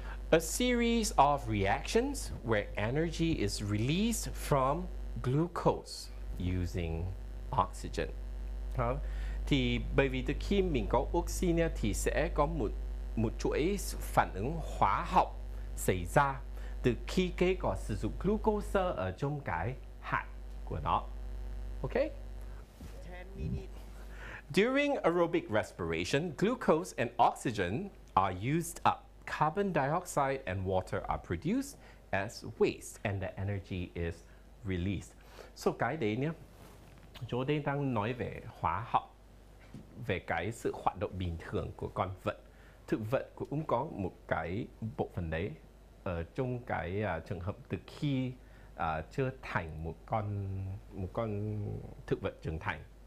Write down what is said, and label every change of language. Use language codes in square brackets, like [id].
[en] A series of reactions where energy is released from glucose using oxygen. [vi] Thì bởi vì từ khi mình có oxy nha, thì sẽ có một chuỗi phản ứng hóa học xảy ra từ khi cây có sử dụng glucose ở trong cái hạt của nó. Okay? [en] During aerobic respiration, glucose and oxygen are used up. Carbon dioxide and water are produced as waste and the energy is released. [vi] So cái đấy nhé, chỗ đây đang nói về hóa học, về cái sự hoạt động bình thường của con vật. Thực vật cũng có một cái bộ phận đấy ở trong cái trường hợp từ khi chưa thành một con thực vật trưởng thành.